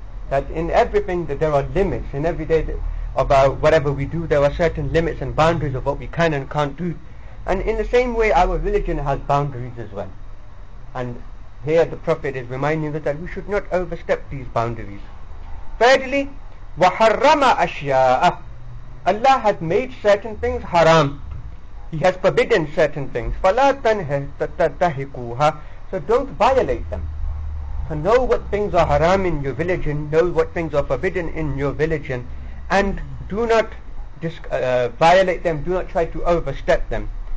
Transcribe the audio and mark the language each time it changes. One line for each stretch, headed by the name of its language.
English: That in everything that there are limits, in every day about whatever we do, there are certain limits and boundaries of what we can and can't do. And in the same way, our religion has boundaries as well. And here the Prophet is reminding us that we should not overstep these boundaries. Thirdly,
Arabic: وَحَرَّمَ أَشْيَاءَ.
English: Allah has made certain things haram. He has forbidden certain things.
Arabic: فَلَا تَنْهَتَهِكُوهَا.
English: So don't violate them. So know what things are haram in your religion, know what things are forbidden in your religion, and do not violate them, do not try to overstep them.